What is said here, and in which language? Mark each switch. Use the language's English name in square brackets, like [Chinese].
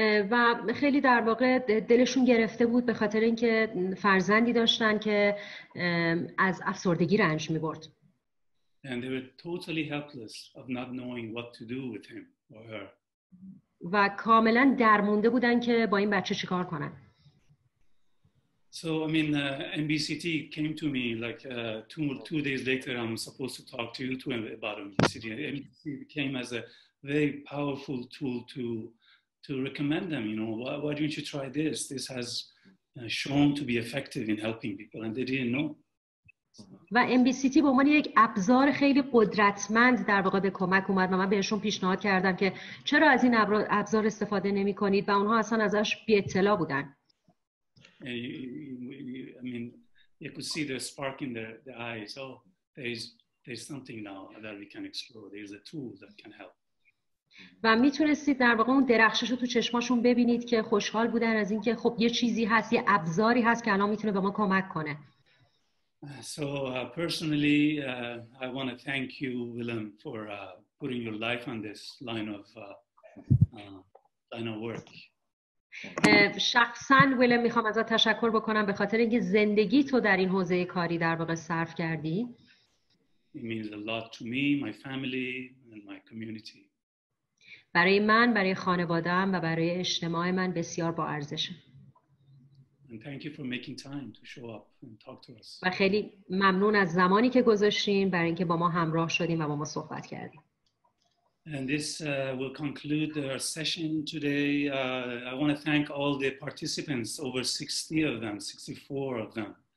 [Persian] و خیلی در واقع دلشون گرفته بود به خاطر اینکه فرزندی داشتن که از افسردگی رنج می‌برد. [English] And they were totally helpless of not knowing what to do with him or her. [Persian] و کاملا درمونده بودن که با این بچه چیکار کنن. [English] So I mean, MBCT came to me like two days later. I'm supposed to talk to you about MBCT. MBCT came as a very powerful tool to recommend them. You know, why don't you try this? This has shown to be effective in helping people, and they didn't know. [Persian] و MBCT به عنوان یک ابزار خیلی قدرتمند در واقع به کمک اومد و من بهشون پیشنهاد کردم که چرا از این ابزار استفاده نمی کنید و اونها اصلا ازش بی اطلاع بودن. [English] I mean, you could see the spark in their eyes. Oh, there's something now that we can explore. There's a tool that can help. [Persian] و میتونستید در واقع اون درخشش رو تو چشماشون ببینید که خوشحال بودن از اینکه خب یه چیزی هست، یه ابزاری هست که الان میتونه به ما کمک کنه. [English] So personally, I want to thank you, Willem, for putting your life on this line of work. [Persian] شخصا ولم میخوام ازت تشکر بکنم به خاطر اینکه زندگی تو در این حوزه کاری در واقع صرف کردی. [English] It means a lot to me, my family and my community. [Persian] برای من، برای خانواده‌ام و برای اجتماع من بسیار با ارزشه. [English] And thank you for making time to show up and talk to us. [Persian] و خیلی ممنون از زمانی که گذاشتین برای اینکه با ما همراه شدیم و با ما صحبت کردیم. [English] And this will conclude our session today. I want to thank all the participants, over 60 of them, 64 of them.